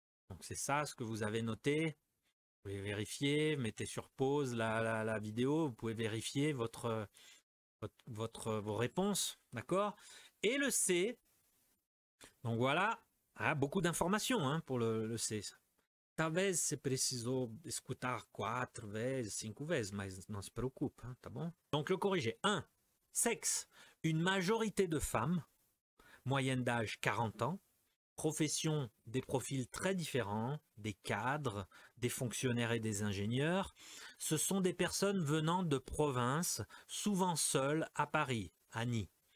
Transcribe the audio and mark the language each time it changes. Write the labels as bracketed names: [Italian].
[French] Donc c'est ça ce que vous avez noté. Vous pouvez vérifier, mettez sur pause la vidéo, vous pouvez vérifier vos réponses, d'accord? Et le C, donc voilà, hein, beaucoup d'informations hein, pour le C. [Portuguese] Talvez se preciso escutar 4 vezes, 5 vezes, [French] mais non [Portuguese] se preocupe, hein, tá bom? [French] Donc le corrigé, 1, sexe. Une majorité de femmes, moyenne d'âge 40 ans, profession des profils très différents, des cadres, des fonctionnaires et des ingénieurs. Ce sont des personnes venant de province, souvent seules à Paris, à Nice.